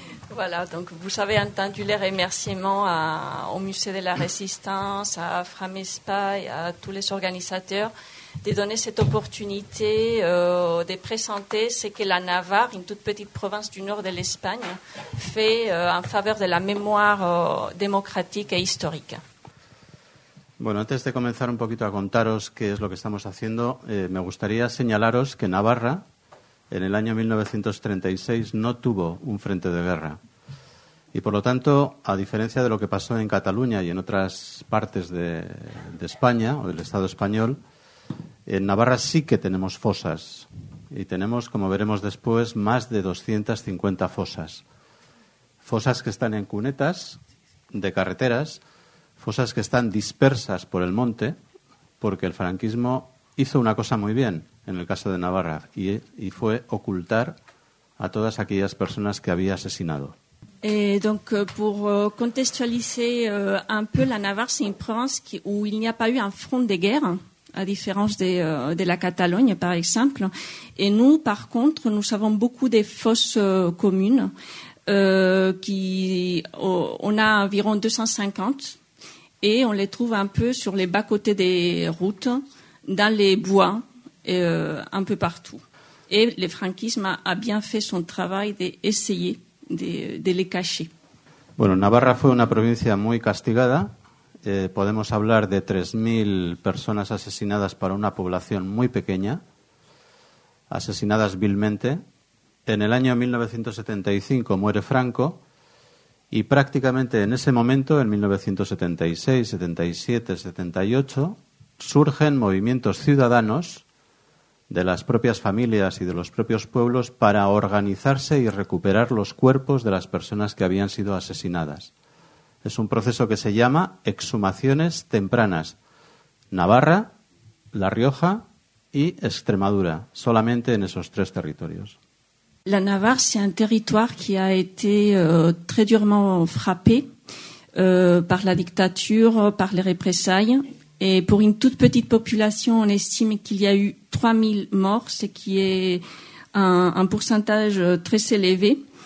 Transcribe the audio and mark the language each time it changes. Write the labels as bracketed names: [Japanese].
[French] Voilà, donc vous avez entendu les remerciements au Musée de la Résistance, à Framespa et à tous les organisateurs de donner cette opportunité de présenter ce que la Navarre, une toute petite province du nord de l'Espagne, fait en faveur de la mémoire démocratique et historique. [Spanish] Bueno, antes de comenzar un poquito a contaros qué es lo que estamos haciendo, me gustaría señalaros que Navarra, en el año 1936, no tuvo un frente de guerra. Y, por lo tanto, a diferencia de lo que pasó en Cataluña y en otras partes de España, o del Estado español, en Navarra sí que tenemos fosas. Y tenemos, como veremos después, más de 250 fosas. Fosas que están en cunetas de carreteras, fosas que están dispersas por el monte, porque el franquismo hizo una cosa muy bien en el caso de Navarra, y fue ocultar a todas aquellas personas que había asesinado. [French] Donc, pour contextualiser un peu, la Navarre, c'est une province où il n'y a pas eu un front de guerre, à différence de la Catalogne, par exemple. Et nous, par contre, nous avons beaucoup de fosses communes. On a environ 250, et on les trouve un peu sur les bas-côtés des routes, dans les bois, un peu partout. Et le franquisme a bien fait son travail d'essayer de les cacher. [Spanish] Bueno, Navarra fue una provincia muy castigada. Podemos hablar de 3.000 personas asesinadas para una población muy pequeña, asesinadas vilmente. En el año 1975 muere Franco y prácticamente en ese momento, en 1976, 77, 78, surgen movimientos ciudadanos de las propias familias y de los propios pueblos para organizarse y recuperar los cuerpos de las personas que habían sido asesinadas. Es un proceso que se llama exhumaciones tempranas. Navarra, La Rioja y Extremadura, solamente en esos tres territorios. [French] La Navarre, c'est un territoire qui a été très durement frappé par la dictature, par les représailles. Et pour une toute petite population, on estime qu'il y a eu 3000 morts, ce qui est un pourcentage très élevé.